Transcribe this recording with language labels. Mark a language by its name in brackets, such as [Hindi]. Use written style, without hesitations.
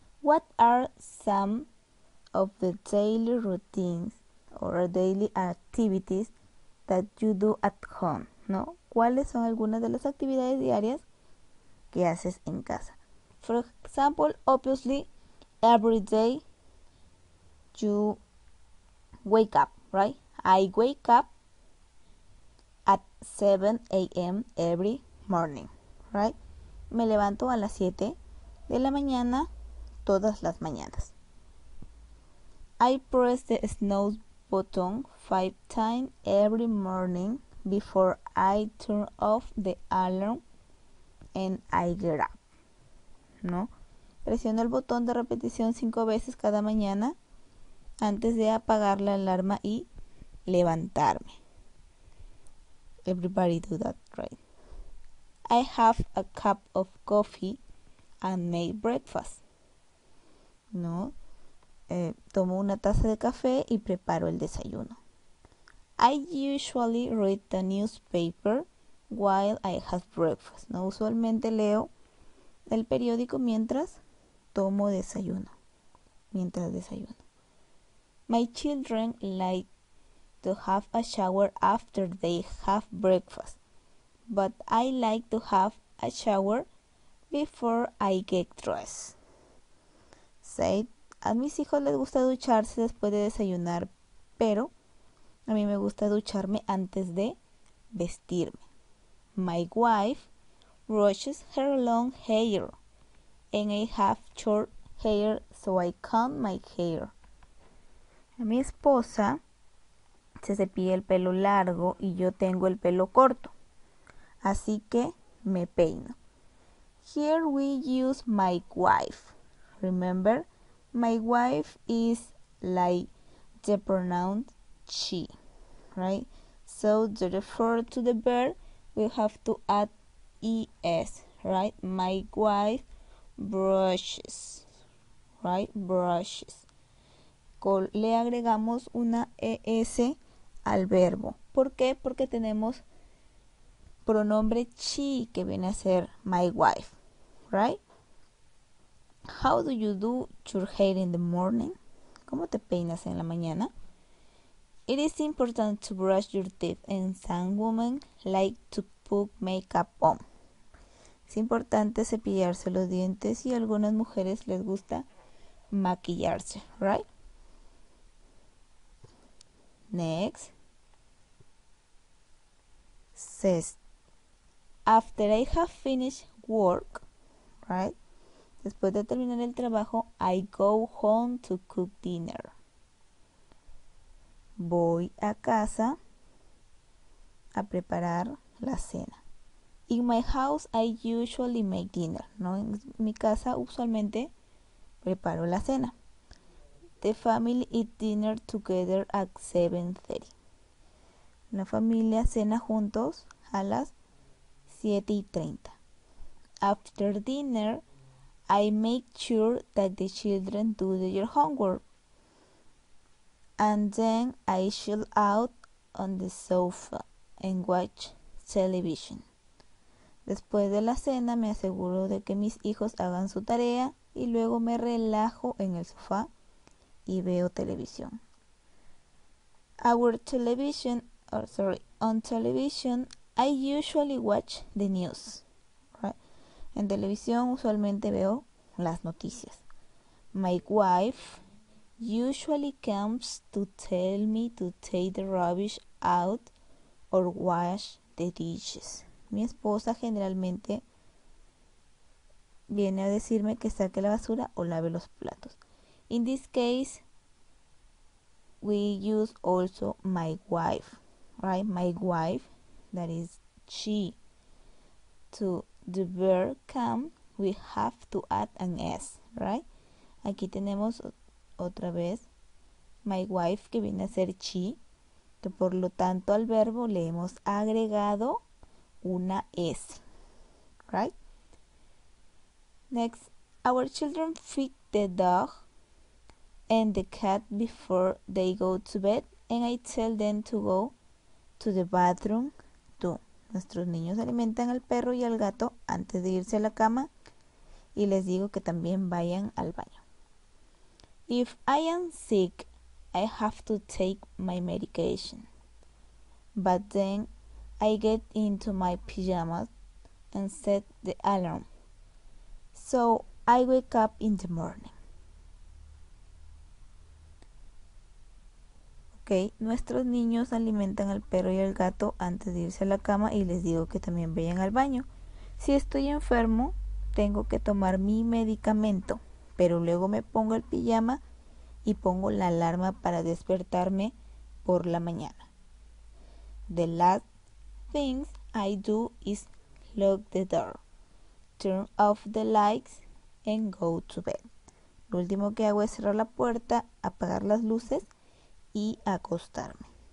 [English] What are some of the daily routines or daily activities that you do at home, [Spanish] ¿no? ¿Cuáles son algunas de las actividades diarias que haces en casa? [English] For example, obviously, every day you wake up, right? I wake up at 7 a.m. every morning, right? [Spanish] Me levanto a las 7 de la mañana todas las mañanas. [English] I press the snooze button 5 times every morning before I turn off the alarm and I get up. [Spanish] ¿No? Presiono el botón de repetición 5 veces cada mañana antes de apagar la alarma y levantarme. [English] Everybody do that, right? I have a cup of coffee and make breakfast. [Spanish] No, tomo una taza de café y preparo el desayuno. [English] I usually read the newspaper while I have breakfast. [Spanish] No, usualmente leo el periódico mientras tomo desayuno. Mientras desayuno. [English] My children like to have a shower after they have breakfast, but I like to have a shower before I get dressed. [Spanish] A mis hijos les gusta ducharse después de desayunar, pero a mí me gusta ducharme antes de vestirme. [English] My wife brushes her long hair and I have short hair so I comb my hair. [Spanish] A mi esposa se cepilla el pelo largo y yo tengo el pelo corto, así que me peino. [English] Here we use my wife. Remember, my wife is like the pronoun she, right? So to refer to the verb, we have to add es, right? My wife brushes, right? Brushes. [Spanish] Le agregamos una es al verbo. ¿Por qué? Porque tenemos pronombre she que viene a ser [English] my wife, right? How do you do your hair in the morning? [Spanish] ¿Cómo te peinas en la mañana? [English] It is important to brush your teeth and some women like to put makeup on. [Spanish] Es importante cepillarse los dientes y a algunas mujeres les gusta maquillarse, [English] right? Next. Says, after I have finished work, right? [Spanish] Después de terminar el trabajo, [English] I go home to cook dinner. [Spanish] Voy a casa a preparar la cena. [English] In my house, I usually make dinner. [Spanish] ¿No? En mi casa, usualmente, preparo la cena. [English] The family eat dinner together at 7:30. [Spanish] La familia cena juntos a las 7:30. [English] After dinner, I make sure that the children do their homework. And then I chill out on the sofa and watch television. [Spanish] Después de la cena me aseguro de que mis hijos hagan su tarea y luego me relajo en el sofá y veo televisión. [English] On television I usually watch the news. Right? [Spanish] En televisión usualmente veo las noticias. [English] My wife usually comes to tell me to take the rubbish out or wash the dishes. [Spanish] Mi esposa generalmente viene a decirme que saque la basura o lave los platos. [English] In this case, we use also my wife, right? My wife, that is she. To the verb come, we have to add an S, right? [Spanish] Aquí tenemos otra vez [English] my wife, [Spanish] que viene a ser she. Que por lo tanto, al verbo le hemos agregado una S, [English] right? Next, our children feed the dog and the cat before they go to bed, and I tell them to go to the bathroom too. [Spanish] Nuestros niños alimentan al perro y al gato antes de irse a la cama, y les digo que también vayan al baño. [English] If I am sick, I have to take my medication. But then I get into my pajamas and set the alarm. So I wake up in the morning. [Spanish] Ok, nuestros niños alimentan al perro y al gato antes de irse a la cama, y les digo que también vayan al baño. Si estoy enfermo, tengo que tomar mi medicamento, pero luego me pongo el pijama y pongo la alarma para despertarme por la mañana. [English] The last things I do is lock the door, turn off the lights and go to bed. [Spanish] Lo último que hago es cerrar la puerta, apagar las luces y acostarme.